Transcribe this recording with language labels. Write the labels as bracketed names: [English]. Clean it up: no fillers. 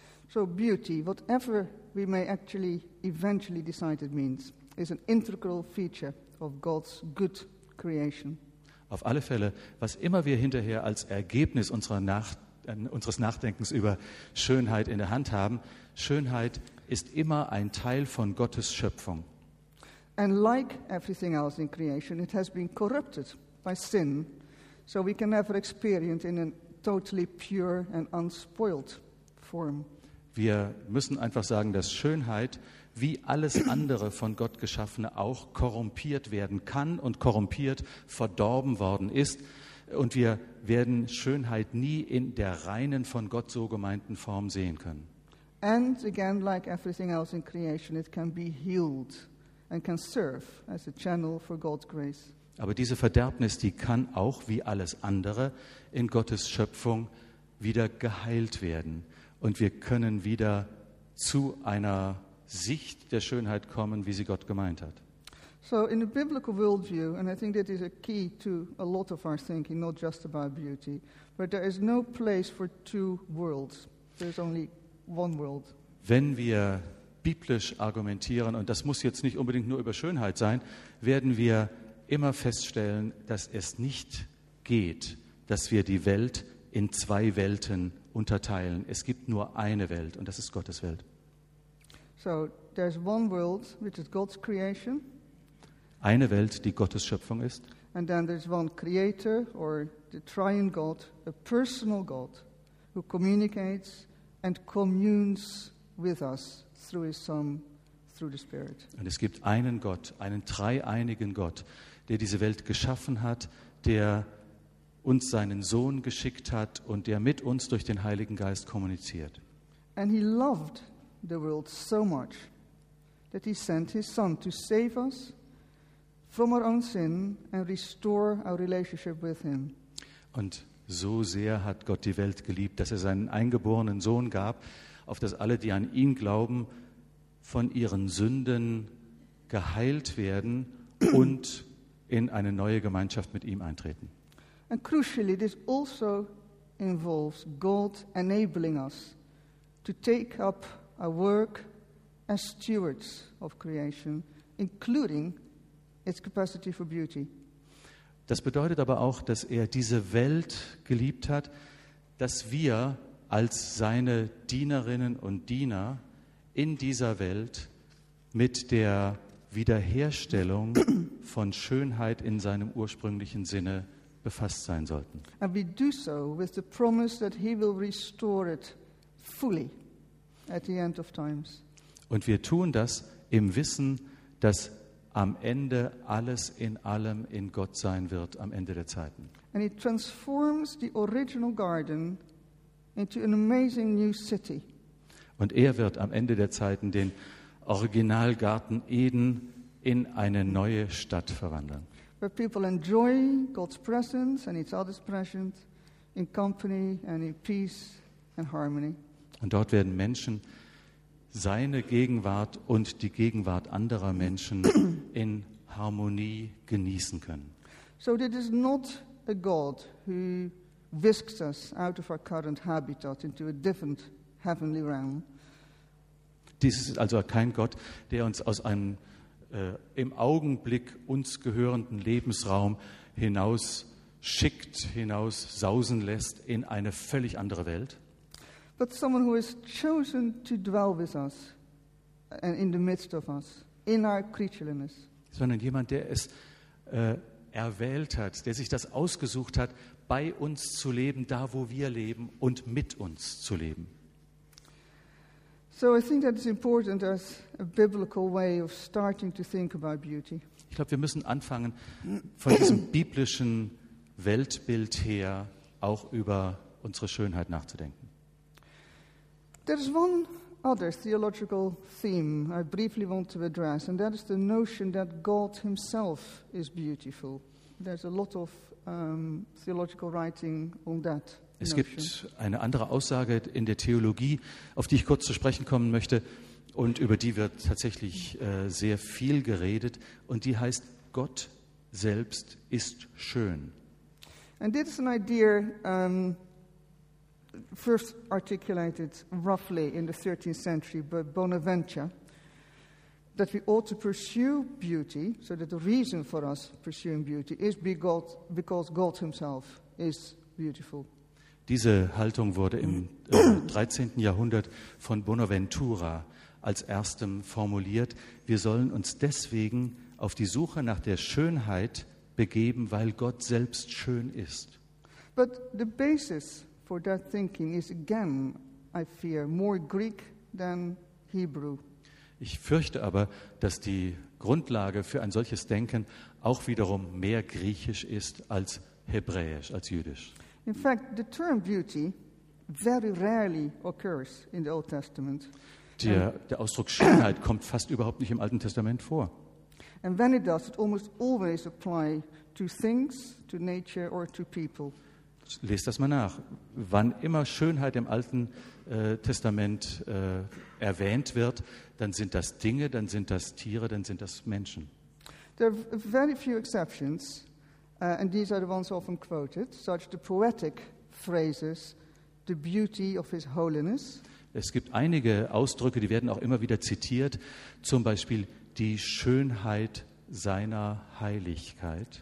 [English] So beauty, whatever we may actually eventually decide it means, is an integral feature of God's good creation. [German] Auf alle Fälle, was immer wir hinterher als Ergebnis unseres Nachdenkens über Schönheit in der Hand haben, Schönheit ist immer ein Teil von Gottes Schöpfung. [English] And like everything else in creation, it has been corrupted by sin, so we can never experience in a totally pure and unspoiled form. [German] Wir müssen einfach sagen, dass Schönheit wie alles andere von Gott Geschaffene auch korrumpiert werden kann und korrumpiert, verdorben worden ist. Und wir werden Schönheit nie in der reinen, von Gott so gemeinten Form sehen können. [English] And again, like everything else in creation, it can be healed and can serve as a channel for God's grace. [German] Aber diese Verderbnis, die kann auch wie alles andere in Gottes Schöpfung wieder geheilt werden. Und wir können wieder zu einer Sicht der Schönheit kommen, wie sie Gott gemeint hat. [English] So in the biblical worldview, and I think that is a key to a lot of our thinking, not just about beauty, but there is no place for two worlds. There is only one world. [German] Wenn wir biblisch argumentieren, und das muss jetzt nicht unbedingt nur über Schönheit sein, werden wir immer feststellen, dass es nicht geht, dass wir die Welt in zwei Welten unterteilen. Es gibt nur eine Welt, und das ist Gottes Welt. [English] So, there's one world, which is God's creation. [German] Eine Welt, die Gottes Schöpfung ist. [English] And then there's one creator, or the triune God, a personal God, who communicates and communes with us through his Son, through the Spirit. [German] Und es gibt einen Gott, einen dreieinigen Gott, der diese Welt geschaffen hat, der uns seinen Sohn geschickt hat und der mit uns durch den Heiligen Geist kommuniziert. [English] And he loved the world so much that he sent his Son to save us from our own sin and restore our relationship with him. [German] Und so sehr hat Gott die Welt geliebt, dass er seinen eingeborenen Sohn gab, auf dass alle, die an ihn glauben, von ihren Sünden geheilt werden und in eine neue Gemeinschaft mit ihm eintreten. [English] And crucially, this also involves God enabling us to take up our work as stewards of creation, including its capacity for beauty. [German] Das bedeutet aber auch, dass er diese Welt geliebt hat, dass wir als seine Dienerinnen und Diener in dieser Welt mit der Wiederherstellung von Schönheit in seinem ursprünglichen Sinne befasst sein sollten. [English] And we do so with the promise that he will restore it fully at the end of times. [German] Und wir tun das im Wissen, dass am Ende alles in allem in Gott sein wird am Ende der Zeiten. [English] And he transforms the original garden into an amazing new city. [German] Und er wird am Ende der Zeiten den Originalgarten Eden in eine neue Stadt verwandeln. [English] Where people enjoy God's presence and each other's presence in company and in peace and harmony. [German] Und dort werden Menschen seine Gegenwart und die Gegenwart anderer Menschen in Harmonie genießen können. [English] So it is not a God who whisks us out of our current habitat into a different heavenly realm. [German] Dies ist also kein Gott, der uns aus einem im Augenblick uns gehörenden Lebensraum hinaus schickt, hinaus sausen lässt in eine völlig andere Welt. [English] But someone who has chosen to dwell with us and in the midst of us, in our creatureliness. [German] Sondern jemand, der es erwählt hat, der sich das ausgesucht hat, bei uns zu leben, da wo wir leben und mit uns zu leben. [English] So I think that is important as a biblical way of starting to think about beauty. [German] Ich glaube, wir müssen anfangen, von diesem biblischen Weltbild her auch über unsere Schönheit nachzudenken. [English] There is one other theological theme I briefly want to address, and that is the notion that God himself is beautiful. There's a lot of theological writing on that. [German] Es gibt eine andere Aussage in der Theologie, auf die ich kurz zu sprechen kommen möchte und über die wird tatsächlich sehr viel geredet und die heißt, Gott selbst ist schön. [English] And this is an idea first articulated roughly in the 13th century by Bonaventure, that we ought to pursue beauty, so that the reason for us pursuing beauty is because God himself is beautiful. [German] Diese Haltung wurde im 13. Jahrhundert von Bonaventura als erstem formuliert. Wir sollen uns deswegen auf die Suche nach der Schönheit begeben, weil Gott selbst schön ist. [English] But the basis for that thinking is again, I fear, more Greek than Hebrew. [German] Ich fürchte aber, dass die Grundlage für ein solches Denken auch wiederum mehr griechisch ist als hebräisch, als jüdisch. [English] In fact, the term beauty very rarely occurs in the Old Testament. [German] Der Ausdruck Schönheit kommt fast überhaupt nicht im Alten Testament vor. [English] And when it does, it almost always apply to things, to nature or to people. [German] Lest das mal nach. Wann immer Schönheit im Alten Testament erwähnt wird, dann sind das Dinge, dann sind das Tiere, dann sind das Menschen. [English] There are very few exceptions. And these are the ones often quoted, such the poetic phrases, the beauty of his holiness. [German] Es gibt einige Ausdrücke, die werden auch immer wieder zitiert, zum Beispiel die Schönheit seiner Heiligkeit.